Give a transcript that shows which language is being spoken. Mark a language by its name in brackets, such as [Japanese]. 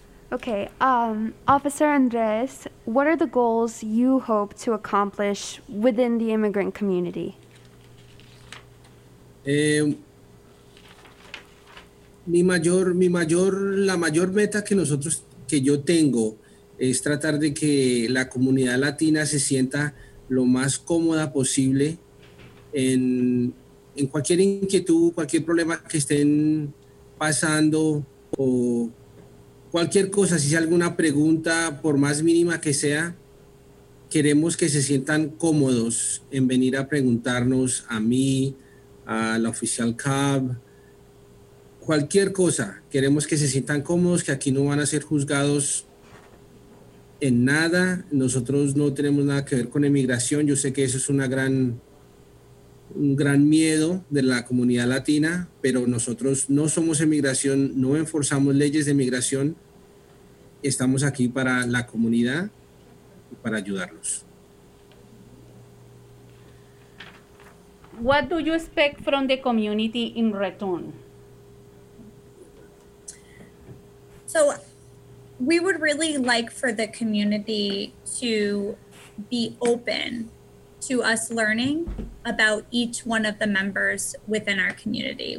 [English] Okay, Officer Andres, what are the goals you hope to accomplish within the immigrant community? [Spanish] La mayor meta que yo tengo es tratar de que la comunidad latina se sienta lo más cómoda posible en cualquier inquietud, cualquier problema que estén pasando, o cualquier cosa, si sea alguna pregunta, por más mínima que sea, queremos que se sientan cómodos en venir a preguntarnos a mí, a la oficial CAB, cualquier cosa, queremos que se sientan cómodos, que aquí no van a ser juzgados en nada. Nosotros no tenemos nada que ver con emigración. Yo sé que eso es un gran miedo de la comunidad latina, pero nosotros no somos emigración, no enforzamos leyes de emigración. Estamos aquí para la comunidad y para ayudarlos. [English] What do you expect from the community in return? We would really like for the community to be open to us learning about each one of the members within our community.